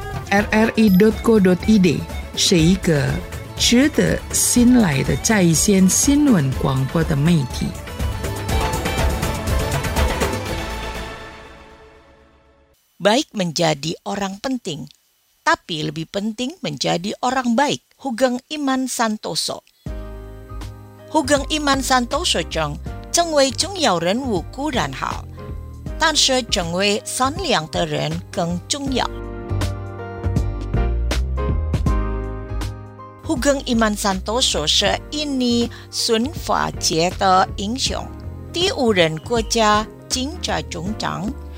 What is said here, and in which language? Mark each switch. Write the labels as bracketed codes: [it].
[zh] rri.co.id 是一个值得信赖的在线新闻广播的媒体。 [id] Baik menjadi orang penting, tapi lebih penting menjadi orang baik. Hugeng Iman Santoso. [zh] Hugeng Iman Santoso 成为重要人物固然好，但是成为善良的人更重要。 Hugeng Iman Santoso 是印尼孙法杰的英雄，第五任国家警察总长。